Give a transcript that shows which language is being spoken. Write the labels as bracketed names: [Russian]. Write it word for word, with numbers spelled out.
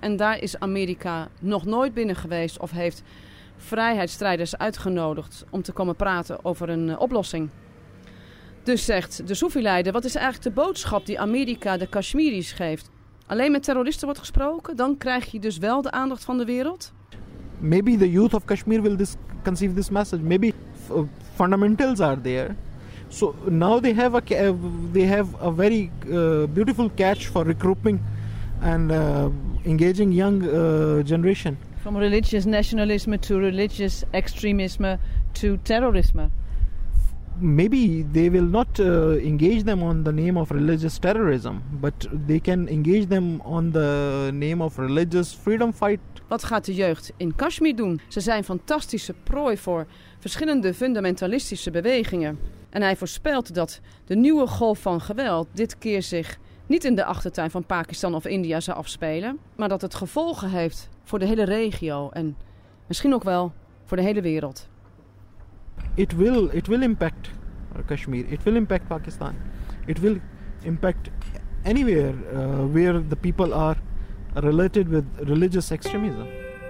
[Dutch] En daar is Amerika nog nooit binnen geweest of heeft vrijheidsstrijders uitgenodigd om te komen praten over een uh, oplossing. Dus zegt de Soefi-leider, wat is eigenlijk de boodschap die Amerika de Kashmiris geeft? Alleen met terroristen wordt gesproken, dan krijg je dus wel de aandacht van de wereld? [English] Maybe the youth of Kashmir will this, conceive this message. Maybe f- fundamentals are there. So now they have a, they have a very uh, beautiful catch for recruiting and uh, engaging young uh, generation. From religious nationalism to religious extremism to terrorism. Maybe they will not uh, engage them on the name of religious terrorism, but they can engage them on the name of religious freedom fight. [Dutch] Wat gaat de jeugd in Kashmir doen? Ze zijn fantastische prooi voor verschillende fundamentalistische bewegingen. En hij voorspelt dat de nieuwe golf van geweld dit keer zich niet in de achtertuin van Pakistan of India zou afspelen, maar dat het gevolgen heeft voor de hele regio en misschien ook wel voor de hele wereld. [English] It will it will impact Kashmir. It will impact Pakistan. It will impact anywhere uh, where the people are related with religious extremism.